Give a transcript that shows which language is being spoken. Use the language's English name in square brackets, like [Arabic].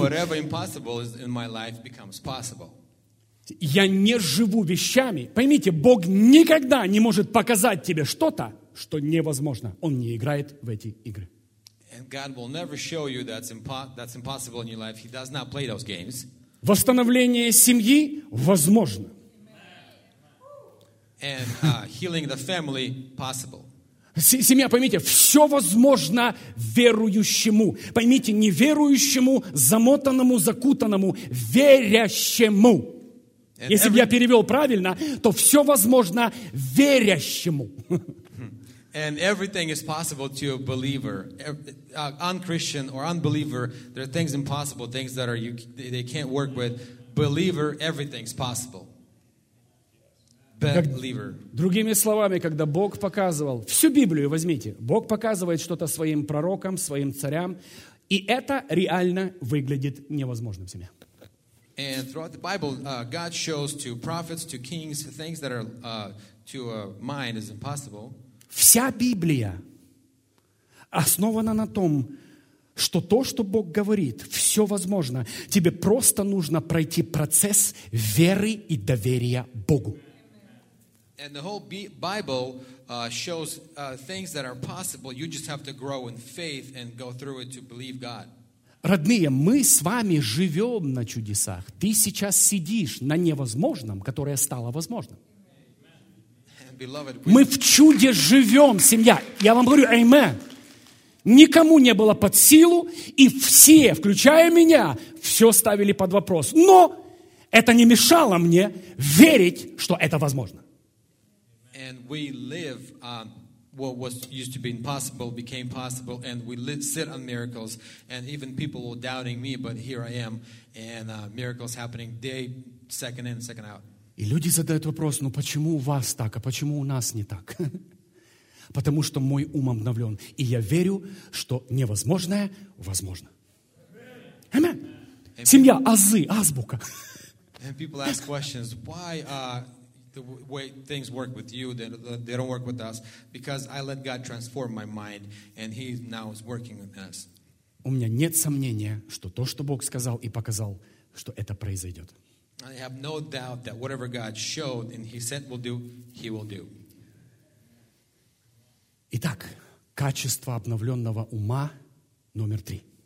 [English] Whatever impossible is in my life becomes possible. [Russian] Я не живу вещами. Поймите, Бог никогда не может показать тебе что-то, что невозможно. Он не играет в эти игры. [English] And God will never show you that's impossible in your life. He does not play those games. [Russian] Восстановление семьи возможно. [English] And, healing the family possible. [Russian] Семья, поймите, все возможно верующему. Поймите, неверующему, замотанному, закутанному, верящему. [English] And [Russian] если бы я перевел правильно, то все возможно верящему. [English] And everything is possible to a believer. Un-Christian or unbeliever, there are things impossible, things that are you, they can't work with. Believer, everything's possible. Believer. [Russian] Другими словами, когда Бог показывал, всю Библию возьмите, Бог показывает что-то своим пророкам, своим царям, и это реально выглядит невозможным себе. [English] And throughout the Bible, God shows to prophets, to kings, things that are to a mind is impossible. [Russian] Вся Библия основана на том, что то, что Бог говорит, все возможно. Тебе просто нужно пройти процесс веры и доверия Богу. [English] And the whole Bible shows things that are possible. You just have to grow in faith and go through it to believe God. [Russian] Родные, мы с вами живем на чудесах. Ты сейчас сидишь на невозможном, которое стало возможным. [English] Beloved, [Russian] мы в чуде живем, семья. Я вам говорю, аймен. Никому не было под силу, и все, включая меня, все ставили под вопрос. Но это не мешало мне верить, что это возможно. [English] And we live what was used to be impossible became possible, and we sit on miracles, and even people were doubting me, but here I am, and miracles happening day second in, second out. [Russian] И люди задают вопрос: ну почему у вас так, а почему у нас не так? Потому что мой ум обновлен, и я верю, что невозможное возможно. Амин. Семья, азы, азбука. [English] And people ask questions, why the way things work with you, they don't work with us, because I let God transform my mind, and he now is working with us. [Russian] У меня нет сомнения, что то, что Бог сказал и показал, что это произойдет. [English] I have no doubt that whatever God showed and he said will do, he will do. [Russian] Итак, качество обновленного ума номер три.